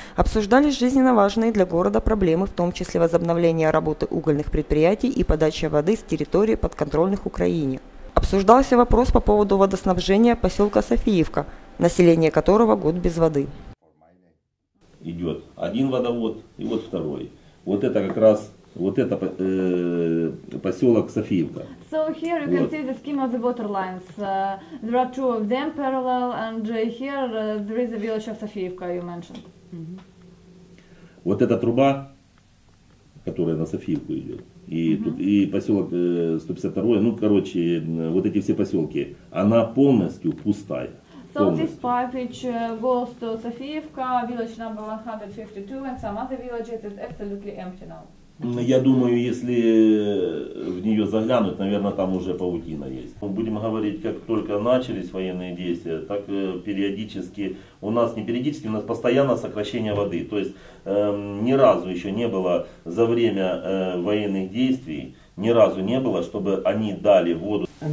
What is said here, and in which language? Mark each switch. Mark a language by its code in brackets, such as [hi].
[ru] Обсуждали жизненно важные для города проблемы, в том числе возобновление работы угольных предприятий и подача воды с территории подконтрольных Украине. Обсуждался вопрос по поводу водоснабжения поселка Софиевка, население которого год без воды. Идет один водовод и вот второй. Вот это как раз вот это поселок Софиевка. [en] So here you can see the scheme of the water lines. There are two of them parallel, and here there is a village of Софиевка, you mentioned. [ru] Вот эта труба, которая на Софиевку идет, и тут и поселок 152, ну короче, вот эти все поселки, она полностью пустая. [en] So this pipe which goes to Софиевка, village number 152 and some other villages is absolutely empty now. [ru] Я думаю, если в нее заглянуть, наверное, там уже паутина есть. Мы будем говорить, как только начались военные действия, так периодически, у нас не периодически, у нас постоянно сокращение воды. То есть ни разу еще не было за время военных действий, ни разу не было, чтобы они дали воду.